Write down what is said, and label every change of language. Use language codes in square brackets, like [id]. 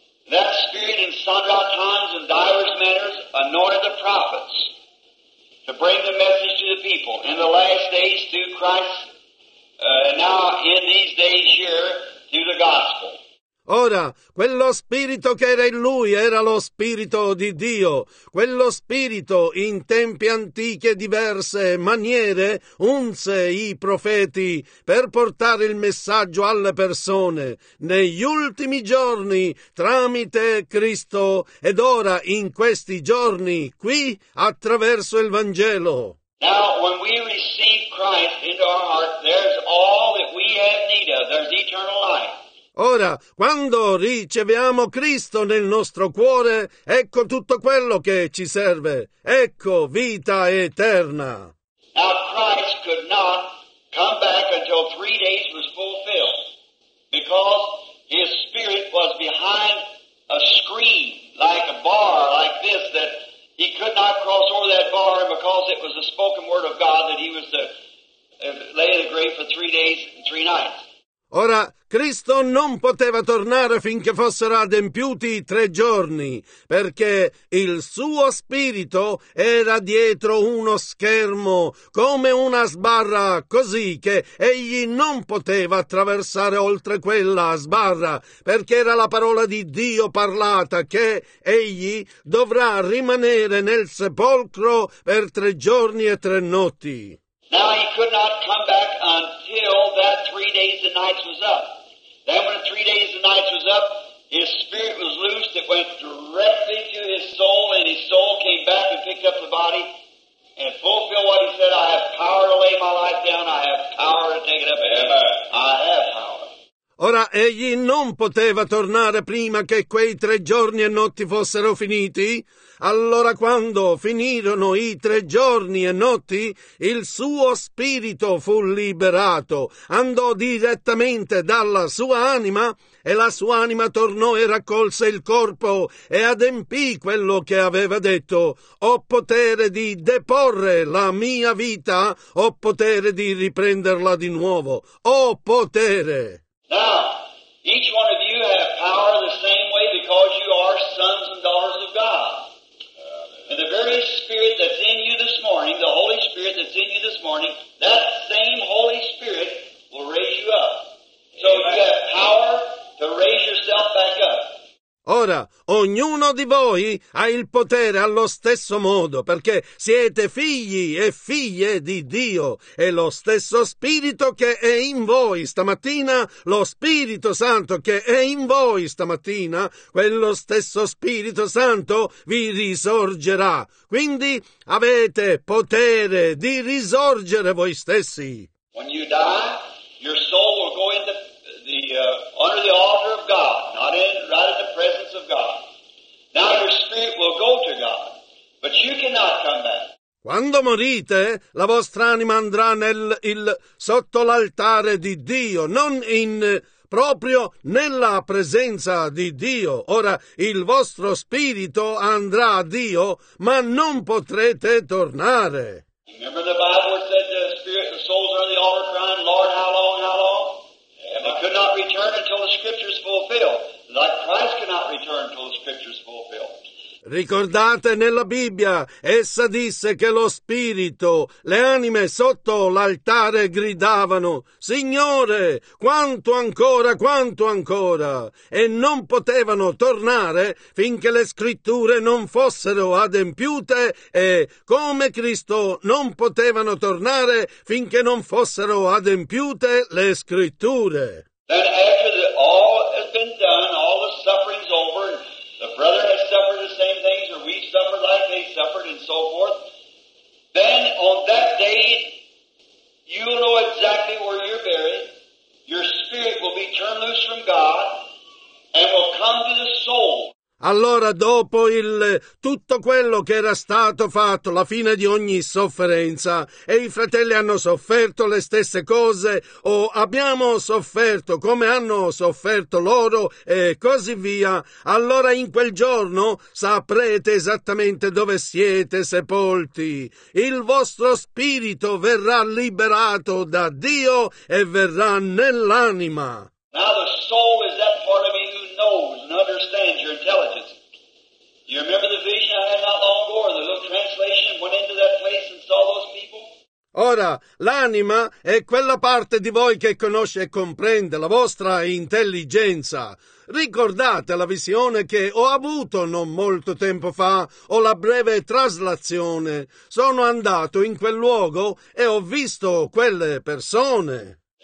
[en] That spirit in sundry times and divers manners anointed the prophets to bring the message to the people. In the last days through Christ, now in these days here, through the gospel. [it] Ora, quello spirito che era in lui era lo spirito di Dio. Quello spirito in tempi antichi e diverse maniere unse i profeti per portare il messaggio alle persone negli ultimi giorni tramite Cristo ed ora in questi giorni qui attraverso il Vangelo. [en] Now, when we receive Christ into our heart, there's all that we have need of. There's eternal life. [it] Ora, quando riceviamo Cristo nel nostro cuore, ecco tutto quello che ci serve. Ecco vita eterna. [en] Now Christ could not come back until 3 days was fulfilled, because his spirit was behind a screen, like a bar, like this, that he could not cross over that bar, because it was the spoken word of God that he was to lay in the grave for 3 days and 3 nights. [it] Ora, Cristo non poteva tornare finché fossero adempiuti 3 giorni, perché il suo spirito era dietro uno schermo, come una sbarra, così che egli non poteva attraversare oltre quella sbarra, perché era la parola di Dio parlata, che egli dovrà rimanere nel sepolcro per 3 giorni e 3 notti. [en] Now he could not come back until that 3 days and nights was up. Then when the 3 days and nights was up, his spirit was loosed, it went directly to his soul, and his soul came back and picked up the body and fulfilled what he said, I have power to lay my life down, I have power to take it up ever, I have power. [it] Ora, egli non poteva tornare prima che quei 3 giorni e notti fossero finiti? Allora, quando finirono i 3 giorni e notti, il suo spirito fu liberato, andò direttamente dalla sua anima, e la sua anima tornò e raccolse il corpo e adempì quello che aveva detto: ho potere di deporre la mia vita, ho potere di riprenderla di nuovo, ho potere. [en] Now, each one of you have power the same way because you are sons and daughters of God. And the very Spirit that's in you this morning, the Holy Spirit that's in you this morning, that same Holy Spirit will raise you up. So you have power to raise yourself back up. [it] Ora, ognuno di voi ha il potere allo stesso modo, perché siete figli e figlie di Dio, e lo stesso Spirito che è in voi stamattina, lo Spirito Santo che è in voi stamattina, quello stesso Spirito Santo vi risorgerà. Quindi avete potere di risorgere voi stessi. [en] When you die, your soul will go in under the altar of God, not in, right in the presence of God. Now your spirit will go to God, but you cannot come back. [it] Quando morite, la vostra anima andrà sotto l'altare di Dio, non in proprio nella presenza di Dio. Ora il vostro spirito andrà a Dio, ma non potrete tornare. [en] Remember the Bible said the spirit, the souls are on the altar crying, Lord, how long, how long? I could not return until the scriptures fulfilled. Like Christ cannot return until the scriptures fulfilled. [it] Ricordate, nella Bibbia essa disse che lo spirito, le anime sotto l'altare gridavano: Signore, quanto ancora, quanto ancora? E non potevano tornare finché le scritture non fossero adempiute, e come Cristo non potevano tornare finché non fossero adempiute le scritture. [en] Then after all has been done, all the suffering's over, the brother has suffered the same things, or we suffered like they suffered, and so forth. Then on that day, you'll know exactly where you're buried. Your spirit will be turned loose from God and will come to the soul. [it] Allora, dopo tutto quello che era stato fatto, la fine di ogni sofferenza, e i fratelli hanno sofferto le stesse cose, o abbiamo sofferto come hanno sofferto loro, e così via, allora in quel giorno saprete esattamente dove siete sepolti. Il vostro spirito verrà liberato da Dio e verrà nell'anima. [en] Now the soul is that part of me who knows and understands your intelligence. You remember the vision I had not long ago, or the little translation, went into that place and saw those people? [it] Ora, l'anima è quella parte di voi che conosce e comprende, la vostra intelligenza. Ricordate la visione che ho avuto non molto tempo fa, o la breve traslazione. Sono andato in quel luogo e ho visto quelle persone.